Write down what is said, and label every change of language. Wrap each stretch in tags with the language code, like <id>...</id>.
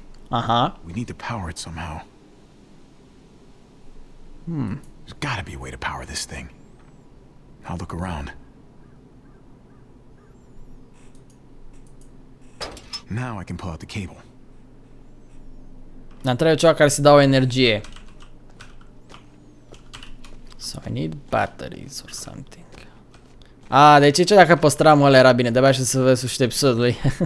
<en>Aha. We need to power it somehow. There's gotta be a way to power this thing. I'll look around. Now I can pull out the cable.</en> <ro>N-am trebuit ceva care să dau energie.</ro> <en>So I need batteries or something.</en> <ro>Ah, deci ce dacă păstram ăla era bine, de-abia să vezi sfârșitul episodului.</ro>